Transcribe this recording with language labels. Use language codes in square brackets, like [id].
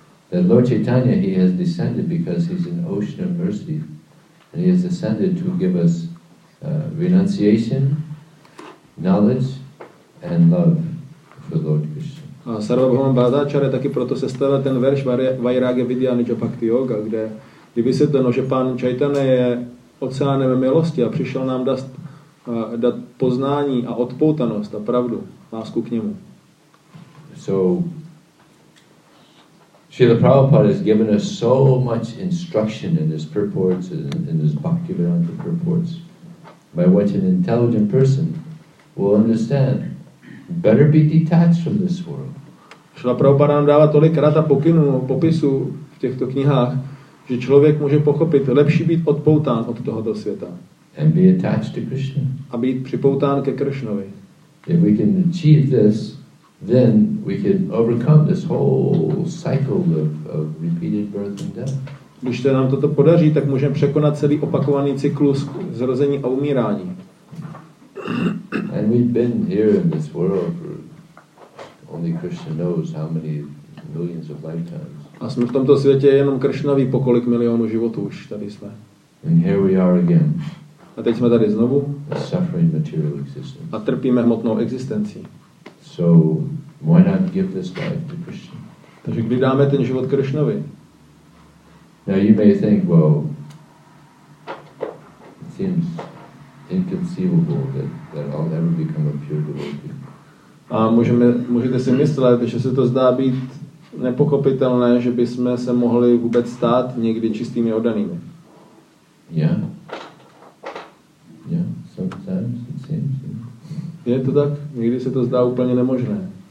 [en] That Lord Chaitanya, he has descended because he's an ocean of mercy. And he has ascended to give us renunciation, knowledge, and love for Lord Krishna. [cs] A Sarvabhauma Bhattacharya taky proto se stala ten verš Vairagya Vidya Nidya Bhakti Yoga, kde je vysvětleno, že pán Chaitanya je oceánem milosti a přišel nám dát poznání a odpoutanost a pravdu. Lásku k němu. [en] So Srila Prabhupada has given us so much instruction in his purports and in his Bhaktivedanta purports by which an intelligent person will understand better be detached from this world. [cs] Srila Prabhupada nám dává tolikrát pokynů popisu v těchto knihách, že člověk může pochopit lepší být odpoután od tohoto světa. [en] And be attached to Krishna. [cs] A být připoután ke Krishnovi. [en] If we can achieve this, then we can overcome this whole cycle of repeated birth and death. [cs] Když se nám toto podaří, tak můžeme překonat celý opakovaný cyklus zrození a umírání. [en] And we've been here in this world for only Krishna knows how many millions of lifetimes. [cs] A jsme v tomto světě jenom Krishna ví, po kolik milionů životů už tady jsme. [en] And here we are again. [cs] A teď jsme tady znovu. [en] Suffering material existence. [cs] A trpíme hmotnou existencí. [en] So why not give this life to Krishna? [cs] Takže kdy dáme ten život Krishnovi? [en] Now you may think, well, it seems inconceivable that I'll ever become a pure devotee. [cs] A můžete si myslet, že se to zdá být nepochopitelné, že bychom se mohli vůbec stát někdy čistými oddanými. [en] Yeah, sometimes it seems. [cs] Yeah. Je to tak? Někdy se to zdá úplně nemožné.